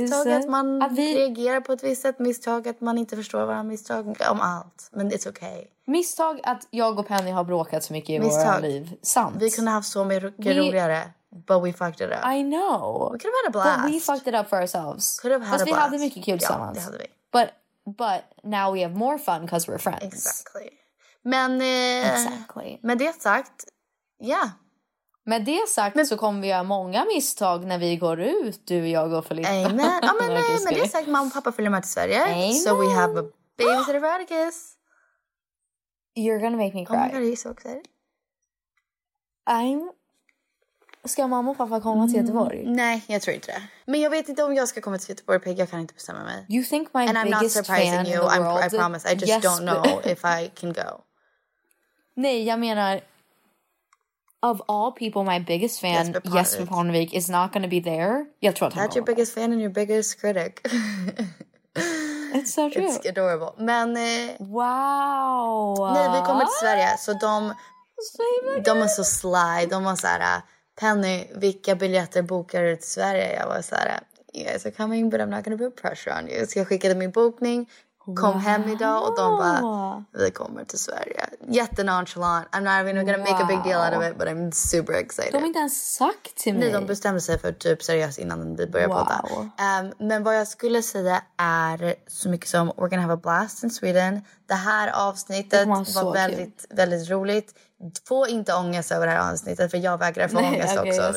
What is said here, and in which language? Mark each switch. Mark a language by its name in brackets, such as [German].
[Swedish] Misstag att man att vi reagerar på ett visst sätt. Misstag att man inte förstår varandra. Misstag om allt. Men [English] it's okay. [Swedish] Misstag att jag och Penny har bråkat så mycket i våra liv. Sant. Vi kunde ha haft så mycket roligare. [English] But we fucked it up. I know. We could have had a blast. But we fucked it up for ourselves. Could have had [Swedish] fast [English] a blast. [Swedish] Fast vi hade mycket kul tillsammans. Ja, det hade vi. [English] But now we have more fun because we're friends. Exactly. [Swedish] Men [English] exactly. [Swedish] Med det sagt, ja. [English] Yeah. [Swedish] Med det sagt men, så kommer vi göra många misstag när vi går ut, du, jag och Filippa. Amen. Ja, men med det sagt, mamma och pappa följer med till Sverige. Amen. [English] So we have a babysitter for Atticus. You're gonna make me cry. Oh my god, are you so excited? I'm... [Swedish] Ska mamma och pappa komma till Göteborg? Nej, jag tror inte det. Men jag vet inte om jag ska komma till Göteborg, Pig. Jag kan inte bestämma mig. [English] You think my and biggest I'm not surprising fan you. In the world. I promise. I just yes, don't know if I can go. [Swedish] Nej, jag menar... [English] Of all people, my biggest fan, Jesper Parnevik, is not going to be there. [Swedish] Jag tror att [English] that's your biggest fan and your biggest critic. It's so true. It's adorable. [Swedish] Men... [English] Wow. [Swedish] Nej, vi kommer till Sverige. Så de... De var så sly. De var så här, Penny, vilka biljetter bokar du till Sverige? Jag var så här, [English] yes, I'm coming, but I'm not gonna put pressure on you. [Swedish] Så jag skickade min bokning, kom hem idag och de bara, vi kommer till Sverige. Jätte nonchalant. [English] I'm not even gonna make a big deal out of it, but I'm super excited. [Swedish] De har inte ens sagt till mig. Nej, de bestämde sig för typ seriöst innan vi började podda. Men vad jag skulle säga är så mycket som, [English] we're gonna have a blast in Sweden. [Swedish] Det här avsnittet var väldigt, väldigt roligt. Få inte ångest över det här avsnittet, för jag vägrar få ångest också.